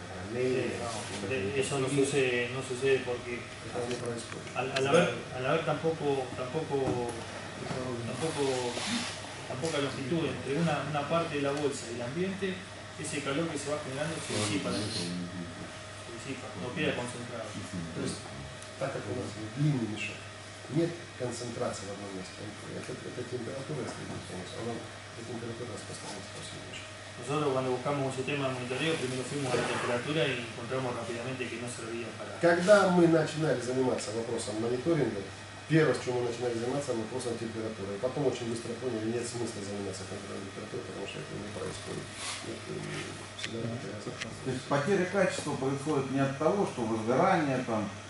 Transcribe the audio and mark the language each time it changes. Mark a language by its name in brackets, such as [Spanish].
[Spanish] Eso no sucede, no sucede porque al haber tampoco longitud entre una parte de la bolsa y el ambiente, ese calor que se va generando se disipa, no queda concentrado. [Russian] Entonces, нет концентрации в одном месте. Это температура, если не понятно. Она температура распространяется по всему мешку. [Spanish] Nosotros cuando buscamos un sistema de monitoreo, primero fuimos a la temperatura y encontramos rápidamente que no servía para. [Russian] Когда мы начинали заниматься вопросом мониторинга, первое, с чем мы начинали заниматься, вопросом температуры. Потом очень быстро поняли, нет смысла заниматься контролем температуры, потому что это не происходит. То есть потеря качества происходит не от того, что возгорание там.